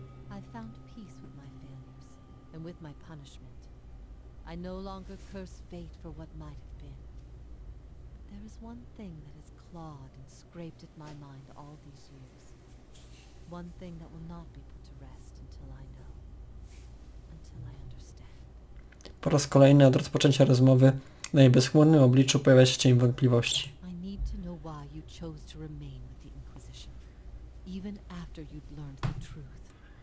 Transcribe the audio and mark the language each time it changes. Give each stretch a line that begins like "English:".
English: I've found peace with my failures and with my punishment. I no longer curse fate for what might have been. But there is one thing that has clawed and scraped at my mind all these years. One thing that will not be put to rest until I know. Until I understand.
Polish: Po raz kolejny od rozpoczęcia rozmowy na jej bezchmurnym obliczu pojawia się cień wątpliwości.
English: Chose to remain with the Inquisition, even after you'd learned the truth.